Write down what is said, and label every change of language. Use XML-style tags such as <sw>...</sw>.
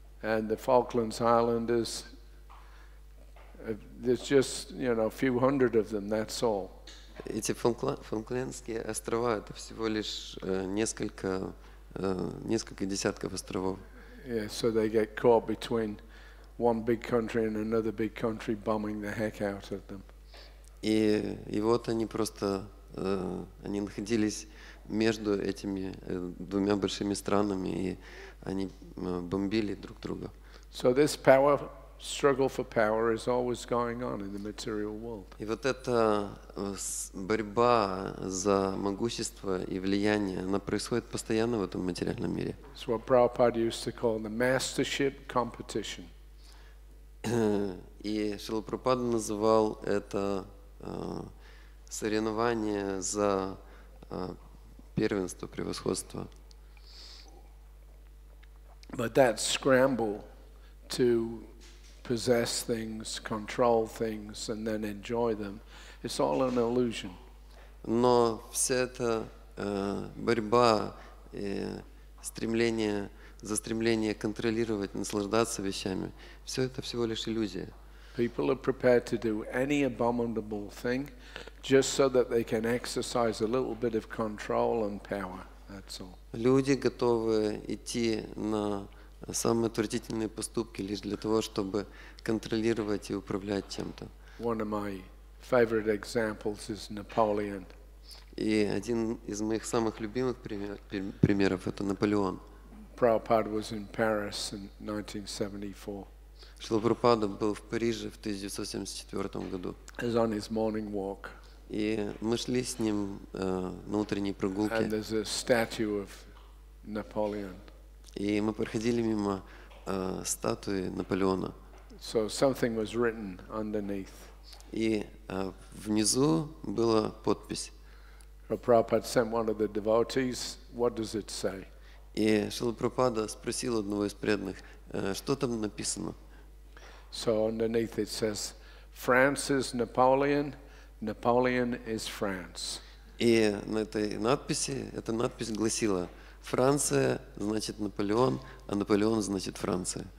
<en>And the Falklands Islanders, there's just, you know, a few hundred of them, that's all.</en> <ru>Эти Фолклендские острова — это всего лишь несколько десятков островов.</ru> <en>Yeah, so they get caught between one big country and another big country bombing the heck out of them.</en> <ru>И вот они просто они находились между этими двумя большими странами, и они бомбили друг друга.</ru> <en>So this power, struggle for power is always going on in the material world.</en> <ru>И вот эта борьба за могущество и влияние, она происходит постоянно в этом материальном мире.</ru> <en>So what Prabhupada used to call the mastership competition.</en> <ru>И Шрила Прабхупада называл это соревнование за первенство, превосходство.</ru> <en>But that scramble to possess things, control things, and then enjoy them, it's all an illusion.</en> <ru>Но вся эта борьба и стремление за стремление контролировать, наслаждаться вещами, все это всего лишь иллюзия.</ru> <en>People are prepared to do any abominable thing just so that they can exercise a little bit of control and power. That's all.</en> <ru>Люди готовы идти на самые отвратительные поступки лишь для того, чтобы контролировать и управлять чем-то.</ru> <en>One of my favorite examples is Napoleon.</en> <ru>И один из моих самых любимых примеров это Наполеон.</ru> <en>Prabhupada was in Paris in 1974.</en> <ru>Шрила Прабхупада был в Париже в 1974 году.</ru> <en>On his morning walk.</en> <ru>И мы шли с ним на утренней прогулке.</ru> <en>And there's a statue of Napoleon.</en> <ru>И мы проходили мимо статуи Наполеона.</ru> <en>So something was written underneath.</en> <ru>И внизу была подпись.</ru> <en>Prabhupada sent one of the devotees, what does it say?</en> <ru>И Шрила Прабхупада спросил одного из преданных, что там написано?</ru> <en>So underneath it says, "France is Napoleon. Napoleon is France."</en> <ru>И на этой надписи эта надпись гласила: Франция значит Наполеон, а Наполеон значит Франция.</ru>